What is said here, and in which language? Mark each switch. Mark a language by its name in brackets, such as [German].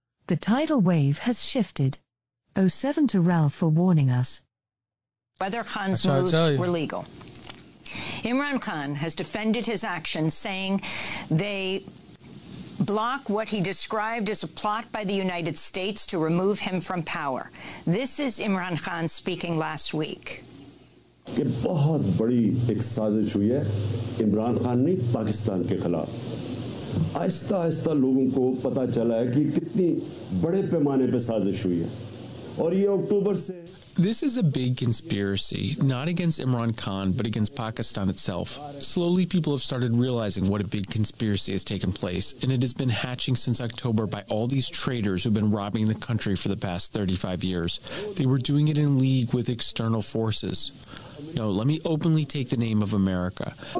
[English] The tidal wave has shifted. 07 to Ralph for warning us. Whether Khan's moves were legal. Imran Khan has defended his actions, saying they block what he described as a plot by the United States to remove him from power. This is Imran Khan speaking last week. [Urdu] کہ بہت بڑی ایک سازش ہوئی ہے عمران خان نے پاکستان کے خلاف آہستہ آہستہ لوگوں کو پتا چلا ہے کہ کتنی بڑے پیمانے پر سازش ہوئی ہے اور یہ اکتوبر سے [English] This is a big conspiracy, not against Imran Khan, but against Pakistan itself. Slowly, people have started realizing what a big conspiracy has taken place, and it has been hatching since October by all these traitors who have been robbing the country for the past 35 years. They were doing it in league with external forces. No, let me openly take the name of America.